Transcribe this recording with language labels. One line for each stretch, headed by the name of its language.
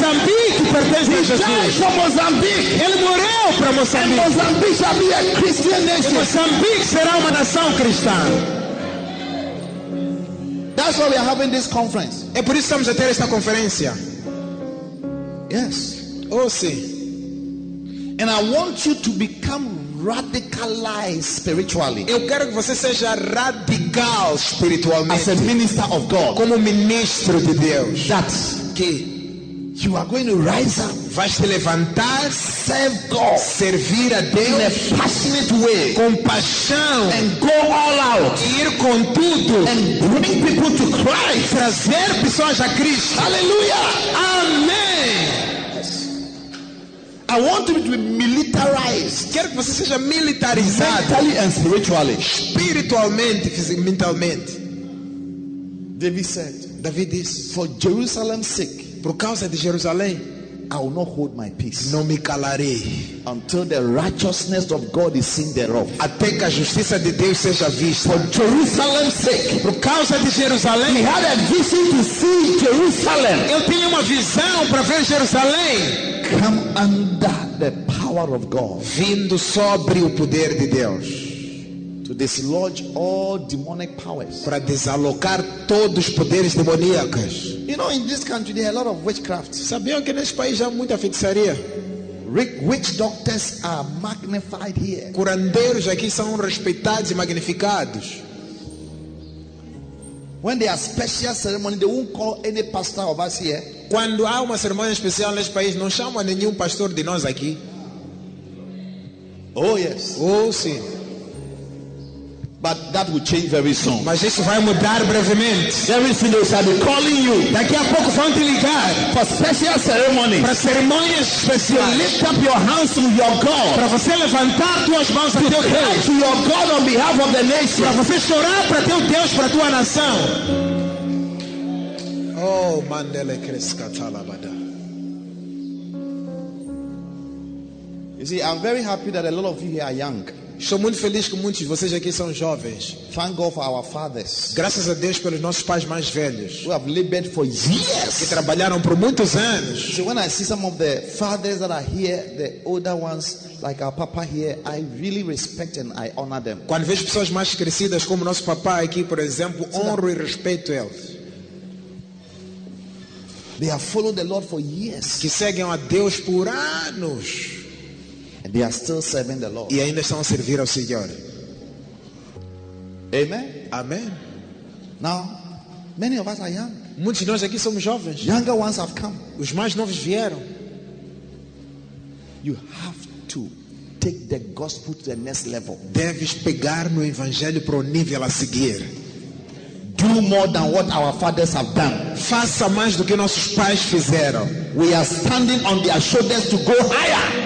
Portuguese: Mozambique pertence a Jesus. Mozambique. Ele morreu para Mozambique.
English: And Mozambique shall be a Christian nation.
Portuguese: Mozambique será uma nação cristã.
English: That's why we are having this conference.
Portuguese: É por isso que estamos a ter esta conferência.
English: Yes.
Portuguese: Oh, sim.
English: And I want you to become radicalized spiritually.
Portuguese: Eu quero que você seja radical espiritualmente.
English: As a minister of God.
Portuguese: Como ministro de Deus.
English: That
Portuguese: que
English: you are going to rise up.
Portuguese: Vais te levantar,
English: serve God.
Portuguese: Servir a Deus
English: in a passionate way.
Portuguese: Com paixão.
English: And go all out.
Portuguese: E ir com tudo.
English: And bring people to Christ.
Portuguese: Trazer pessoas a Cristo. Aleluia. Amém.
English: I want to be militarized.
Portuguese: Quero que você seja militarizado.
English: Mentally and spiritually.
Portuguese: Espiritualmente, mentalmente.
English: David said.
Portuguese: David disse.
English: For Jerusalem's sake.
Portuguese: Por causa de Jerusalém.
English: I will not hold my peace.
Portuguese: Não me calarei.
English: Until the righteousness of God is seen thereof.
Portuguese: Até que a justiça de Deus seja vista.
English: For Jerusalem's sake.
Portuguese: Por causa de Jerusalém.
English: He had a vision to see Jerusalem.
Portuguese: Eu tinha uma visão para ver Jerusalém.
English: Come under the power of God.
Portuguese: Vindo sobre o poder de Deus.
English: to dislodge all demonic powers.
Portuguese: Para desalocar todos os poderes demoníacos.
English: You know, in this country there are a lot of witchcraft.
Portuguese: Sabiam que neste país há muita feitiçaria?
English: Witch doctors are magnified here.
Portuguese: Curandeiros aqui são respeitados e magnificados.
English: When there are special ceremony, they won't call any pastor of us here.
Portuguese: Quando há uma cerimônia especial neste país, não chama nenhum pastor de nós aqui.
English: Oh yes.
Portuguese: Oh sim.
English: But that will change very soon.
Portuguese: Mas isso vai mudar brevemente.
English: Every single shall be calling you.
Portuguese: Daqui a pouco vão te ligar.
English: For special ceremonies.
Portuguese: Para cerimônias especiais.
English: To lift up your hands to your God.
Portuguese: Para você levantar tuas mãos para teu Deus.
English: To your God on behalf of the nation.
Portuguese: Para você chorar para teu Deus, para tua nação. Oh, mandele kreskatala bada.
English: You see, I'm very happy that a lot of you here are young.
Portuguese: Estou muito feliz que muitos de vocês aqui são jovens.
English: Thank God for our fathers.
Portuguese: Graças a Deus pelos nossos pais mais velhos.
English: Who have labored for years.
Portuguese: Que trabalharam por muitos anos.
English: So when I see some of the fathers that are here, the older ones like our papa here, I really respect and I honor them.
Portuguese: Quando vejo pessoas mais crescidas como nosso papá aqui, por exemplo, honro e respeito eles.
English: They have followed the Lord for years.
Portuguese: Que seguem a Deus por anos.
English: They are still serving the Lord.
Portuguese: E ainda estão a servir ao Senhor.
English: Amen.
Portuguese: Amen.
English: Now, many of us are young.
Portuguese: Muitos de nós aqui somos jovens.
English: Younger ones have come.
Portuguese: Os mais novos vieram.
English: You have to take the gospel to the next level.
Portuguese: Deves pegar no evangelho para o nível a seguir.
English: Do more than what our fathers have done.
Portuguese: Faça mais do que nossos pais fizeram.
English: We are standing on their shoulders to go higher.